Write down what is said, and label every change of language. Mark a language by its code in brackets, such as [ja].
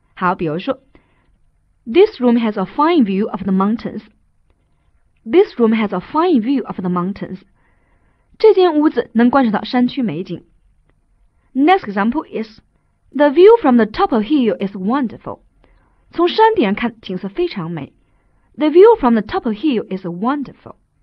[zh] 好，比如说 [en] ，This room has a fine view of the mountains. This room has a fine view of the mountains. [zh] 这间屋子能观赏到山区美景。 [en] Next example is, the view from the top of hill is wonderful. [zh] 从山顶上看景色非常美。 [en] The view from the top of hill is wonderful.